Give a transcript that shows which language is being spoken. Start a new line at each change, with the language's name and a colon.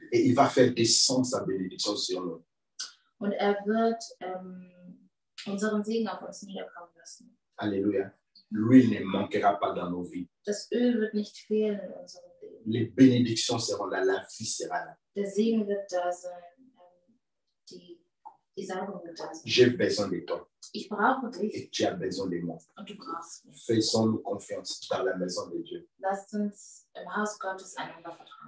French: Et il va faire descendre sa bénédiction sur nous.
German: Und er wird unseren Segen auf uns niederkommen lassen.
French: Alléluia. L'huile ne manquera pas dans nos vies.
German: Das Öl wird nicht fehlen in unserem Leben.
French: Les bénédictions seront là, la vie sera là.
German: Der Segen wird da sein, die Salbung wird da sein.
French: J'ai besoin de toi.
German: Ich brauche dich.
French: Et tu as besoin de moi.
German: Und du brauchst mich.
French: Faisons-nous confiance dans la maison de Dieu.
German: Lasst uns im Haus Gottes einander vertrauen.